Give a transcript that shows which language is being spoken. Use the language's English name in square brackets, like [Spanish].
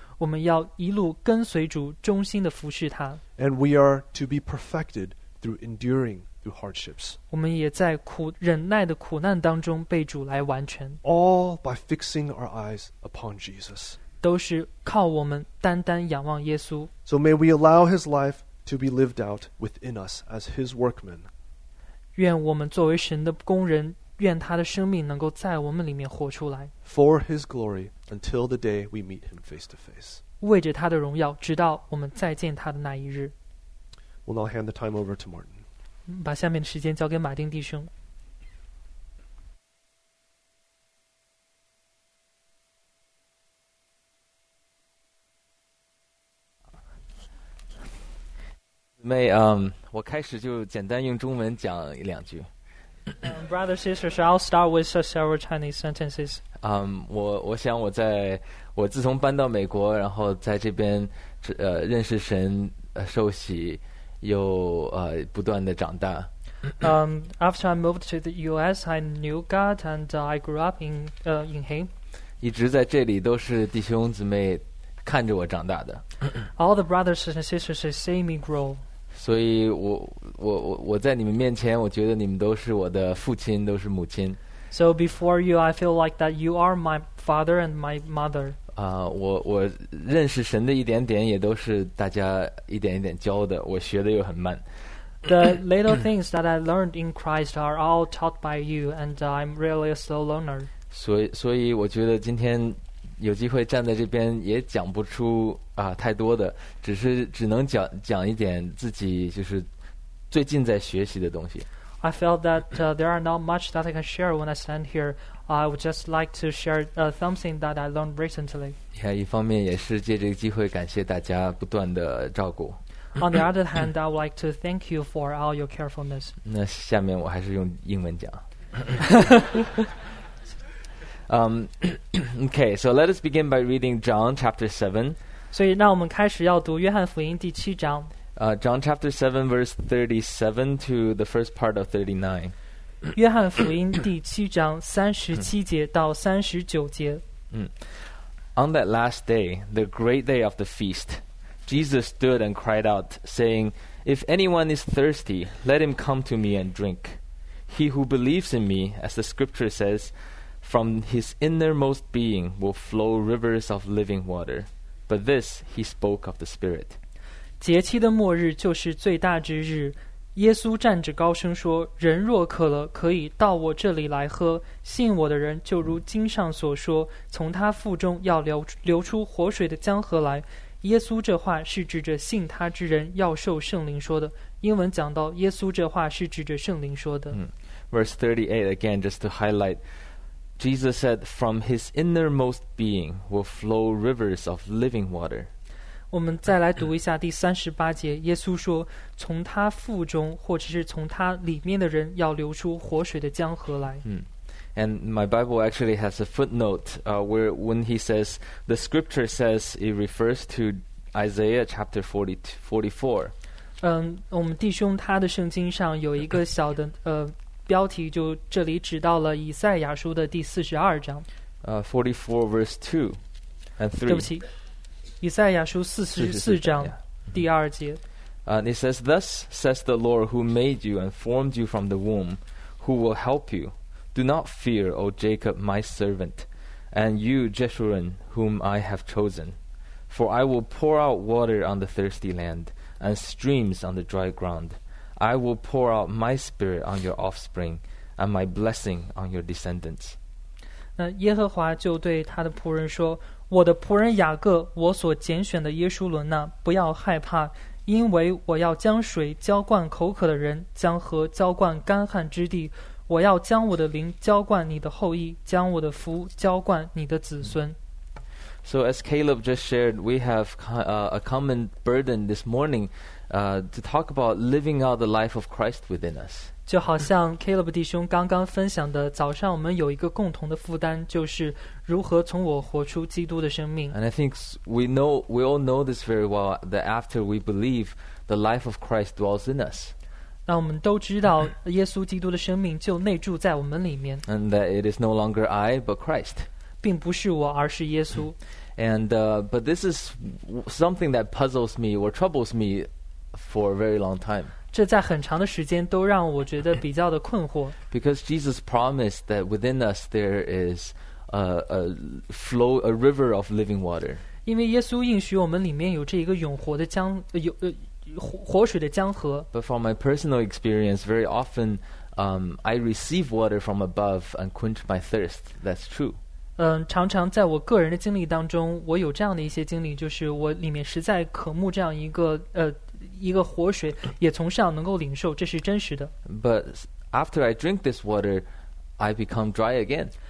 [Chinese] 我们要一路跟随主，忠心地服侍他。 [English] And we are to be perfected through enduring through hardships. [Chinese] 我们也在忍耐的苦难当中被主来完全。 [English] All by fixing our eyes upon Jesus. [Chinese] 都是靠我们单单仰望耶稣。 [English] So may we allow his life to be lived out within us as his workmen. [Chinese] 愿我们作为神的工人，愿他的生命能够在我们里面活出来。 [English] For his glory until the day we meet him face to face. [Chinese] 为着他的荣耀，直到我们再见他的那一日。 [English] We'll now hand the time over to Martin. [Chinese] 把下面的时间交给马丁弟兄。妹，我开始就简单用中文讲一两句。 [English] Brother, sisters, I'll start with several Chinese sentences. [Chinese] 我想我自从搬到美国，然后在这边认识神，受洗，又不断的长大。 [English] After I moved to the U.S., I knew God and I grew up in Him. [Chinese] 一直在这里都是弟兄姊妹看着我长大的。 [English] All the brothers and sisters have seen me grow. [Chinese] 所以我在你们面前，我觉得你们都是我的父亲，都是母亲。 [English] So before you, I feel like that you are my father and my mother. [Chinese] 我认识神的一点点，也都是大家一点一点教的，我学的又很慢。 [English] The little things that I learned in Christ are all taught by you, and I'm really a slow learner. [Chinese] 所以我觉得今天有机会站在这边也讲不出太多的，只能讲一点自己就是最近在学习的东西。 [English] I felt that there are not much that I can share when I stand here. I would just like to share something that I learned recently. [Chinese] Yeah, 一方面也是借这个机会感谢大家不断的照顾。 [English] On the other hand, I would like to thank you for all your carefulness. [Chinese] 那下面我还是用英文讲。 [English] okay, so let us begin by reading John chapter 7. [Chinese] 所以那我们开始要读约翰福音第七章。 [English] John chapter 7 verse 37 to the first part of 39. [Chinese] 约翰福音第七章37节到39节。 [English] On that last day, the great day of the feast, Jesus stood and cried out, saying, If anyone is thirsty, let him come to me and drink. He who believes in me, as the scripture says,From his innermost being will flow rivers of living water. But this he spoke of the Spirit. [Chinese] 节期的末日就是最大之日。耶稣站着高声说，人若渴了，可以到我这里来喝。信我的人就如经上所说，从他腹中要流出活水的江河来。耶稣这话是指着信他之人要受圣灵说的。英文讲到耶稣这话是指着圣灵说的。 [English] Verse 38 again, just to highlight,Jesus said, from his innermost being will flow rivers of living water. [Chinese] 我们再来读一下第三十八节，耶稣说，从他腹中或者是从他里面的人要流出活水的江河来。 [English] And my Bible actually has a footnote where when he says, the scripture says it refers to Isaiah chapter 44. [Chinese] 我们弟兄他的圣经上有一个小的标题，就这里指到了以赛亚书的第四十二章。 [English] 44 verse 2 and 3. [Chinese] 对不起，以赛亚书四十四章第二节。 [English] It says, thus says the Lord who made you and formed you from the womb, who will help you. Do not fear, O Jacob, my servant, and you, Jeshurun, whom I have chosen. For I will pour out water on the thirsty land, and streams on the dry ground. I will pour out my spirit on your offspring, and my blessing on your descendants. [Chinese] 那耶和华就对他的仆人说，我的仆人雅各，我所拣选的耶稣伦呢，不要害怕。因为我要将水浇灌口渴的人，将河浇灌干旱之地，我要将我的灵浇灌你的后裔，将我的福浇灌你的子孙。 [English] So as Caleb just shared, we have a common burden this morning to talk about living out the life of Christ within us. [Chinese] 就好像 Caleb 弟兄刚刚分享的，早上我们有一个共同的负担，就是如何从我活出基督的生命。 [English] And I think we all know this very well, that after we believe, the life of Christ dwells in us. [Chinese] 那我们都知道耶稣基督的生命就内住在我们里面。 [English] And that it is no longer I, but Christ. [Chinese] 并不是我，而是耶稣。 [English] But this is something that puzzles me or troubles me for a very long time. [Chinese] 这在很长的时间都让我觉得比较的困惑。 [English] Because Jesus promised that within us there is a river of living water. [Chinese] 因为耶稣应许我们里面有这一个永活的江，活水的江河。 [English] But from my personal experience, very often, I receive water from above and quench my thirst. That's true. [Chinese] 常常在我个人的经历当中，我有这样的一些经历，就是我里面实在渴慕这样一个活水，也从上能够领受，这是真实的。 [English] But after I drink this water, I become dry again.